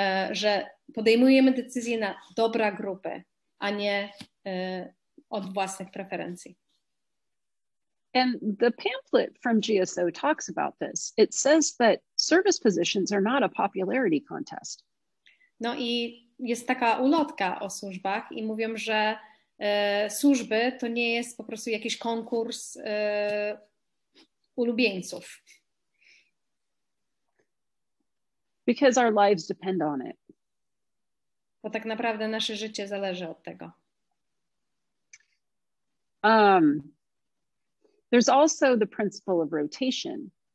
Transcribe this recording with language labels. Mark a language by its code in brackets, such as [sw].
[pl] Że podejmujemy decyzję na dobra grupy, a nie od własnych preferencji. [en] And the pamphlet from GSO talks about this. It says that service positions are not a popularity contest. [pl] No i jest taka ulotka o służbach i mówią, że służby to nie jest po prostu jakiś konkurs ulubieńców. [en] Because our lives depend on it. [pl] Bo tak naprawdę nasze życie zależy od tego. [en] There's also the principle of rotation.